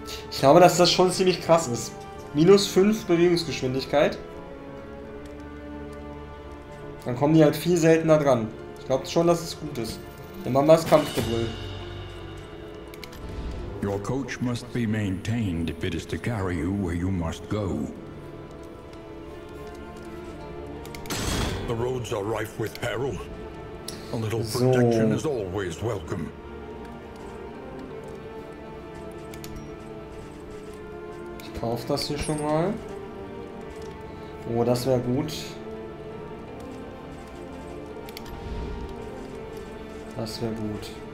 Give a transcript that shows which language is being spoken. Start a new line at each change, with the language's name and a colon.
German: Ich glaube, dass das schon ziemlich krass ist. Minus 5 Bewegungsgeschwindigkeit. Dann kommen die halt viel seltener dran. Ich glaube schon, dass es gut ist. Dann machen wir das Kampfgebrüll.
English: Your coach must be maintained if it is to carry you where you must go. The roads are rife with peril. A little protection is always welcome.
German: Ich kaufe das hier schon mal. Oh, das wäre gut. Das wäre gut.